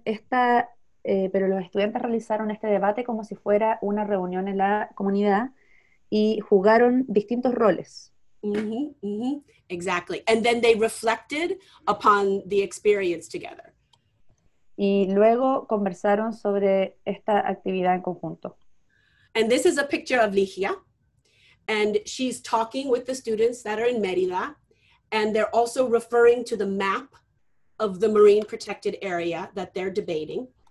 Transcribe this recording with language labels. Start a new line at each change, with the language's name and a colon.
Spanish: Pero los estudiantes realizaron este debate como si fuera una reunión en la comunidad y jugaron distintos roles.
English: Mm-hmm, mm-hmm, exactly. And then they reflected upon the experience together.
Spanish: Y luego conversaron sobre esta actividad en conjunto.
English: And this is a picture of Ligia. And she's talking with the students that are in Mérida. And they're also referring to the map of the marine protected area that they're debating.